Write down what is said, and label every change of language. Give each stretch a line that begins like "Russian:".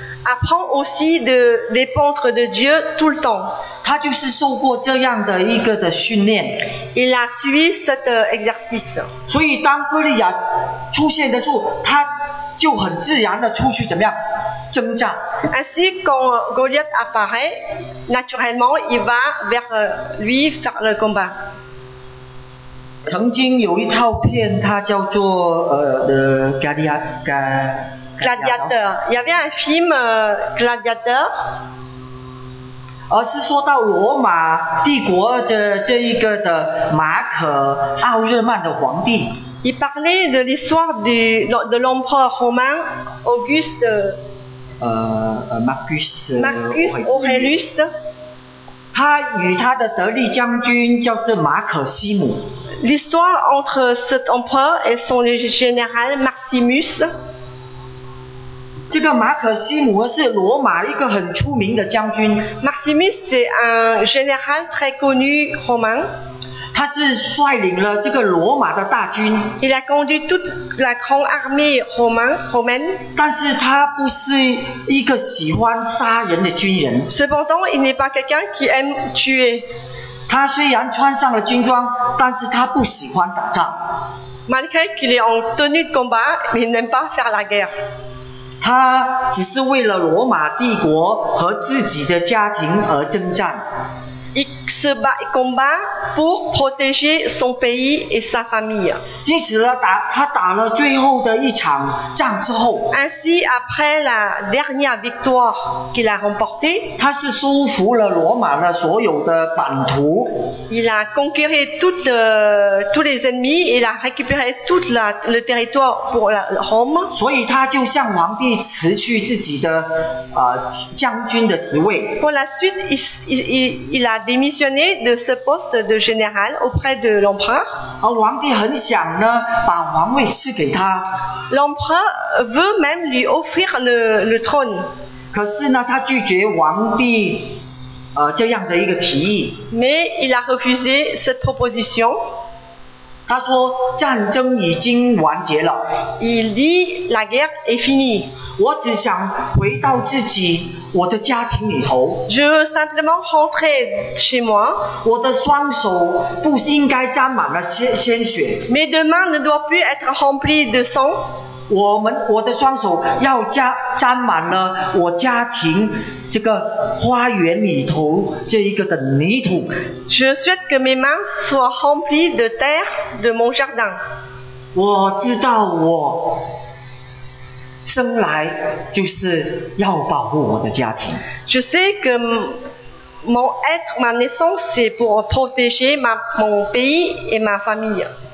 French: apprend aussi de dépendre de Dieu tout le temps.
Chinese: 他就是受过这样的一个的训练。
French: Il a suivi cet exercice.
Chinese: 所以当哥利亚出现的时候，他就很自然的出去怎么样？征战。
French: Ainsi, quand Goliath apparaît, naturellement, il va vers lui faire le combat.
Chinese: 曾经有一套片，它叫做
English: Gladiator.
French: Il y avait un film Gladiator.
Chinese: 而是说到罗马帝国的这一个的马可奥日曼的皇帝。
French: Il parlait de l'histoire de l'empereur romain Auguste.
Latin: Marcus Aurelius.
Chinese: 他与他的得力将军叫是马可西姆。
French: L'histoire entre cet empereur et son général Maximus.
Chinese: 这个马可西姆是罗马一个很出名的将军。
French: Maximus est un général très connu romain.
Chinese: 他是率领了这个罗马的大军。
French: Il a conduit toute la grande armée romaine.
Chinese: 但是他不是一个喜欢杀人的军人。
French: Cependant, il n'est pas quelqu'un qui aime tuer.
Chinese: 他虽然穿上了军装，但是他不喜欢打仗。
French: Malgré qu'il est en tenue de combat, il n'aime pas faire la guerre.
Chinese: 他只是为了罗马帝国和自己的家庭而征战。
French: Il se bat et combat pour protéger son pays et sa famille.
Chinese: 因此呢，他打了最后的一场仗之后
French: ，Ainsi après la dernière victoire qu'il a remportée,
Chinese: 他是收服了罗马的所有的版图。
French: Il a conquéré tous les ennemis et a récupéré tout le territoire pour Rome.
Chinese: 所以他就向皇帝辞去自己的将军的职位。
French: Pour la suite, il a démissionné de ce poste de général auprès de l'empereur. L'empereur veut même lui offrir le trône.
Chinese: 可是呢，他拒绝皇帝这样的一个提议。
French: Mais il a refusé cette proposition.
Chinese: 他说战争已经完结了。
French: Il dit la guerre est finie.
Chinese: 我只想回到自己我的家庭里头。
French: Je veux simplement rentrer chez moi.
Chinese: 我的双手不应该沾满了鲜血。
French: Mes mains ne doivent plus être remplies de sang.
Chinese: 我的双手要沾满了我家庭这个花园里头这一个的泥土。
French: Je souhaite que mes mains soient remplies de terre de mon jardin.
Chinese: 我知道我生来就是要保护我的家庭。
French: Je sais que mon être, ma naissance, c'est pour protéger mon pays et ma famille.